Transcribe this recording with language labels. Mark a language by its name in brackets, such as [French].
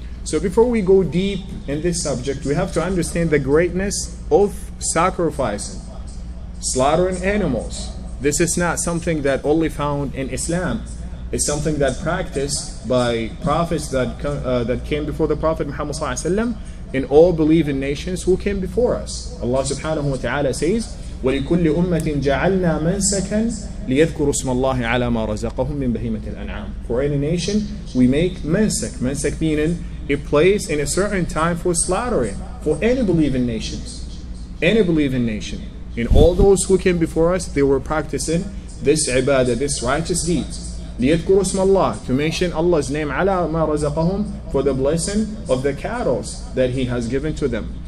[English] So before we go deep in this subject, we have to understand the greatness of sacrificing, slaughtering animals. This is not something that only found in Islam. It's something that practiced by prophets that came before the Prophet Muhammad sallallahu alaihi wasallam and all believing nations who came before us. Allah subhanahu wa ta'ala says, [Arabic] ولكل أمة جعلنا منسكاً ليذكروا اسم الله على ما رزقهم من بهيمة الأنعام. [English] For any nation, we make mansak. Mansak meaning a place in a certain time for slaughtering, for any believing nations. any believing nation, in all those who came before us, they were practicing this ibadah, this righteous deeds. [Arabic] لِيَذْكُرُوا اسْمَ اللَّهِ, [English] to mention Allah's name, [Arabic] عَلَىٰ مَا رَزَقَهُمْ, [English] for the blessing of the cattle that He has given to them.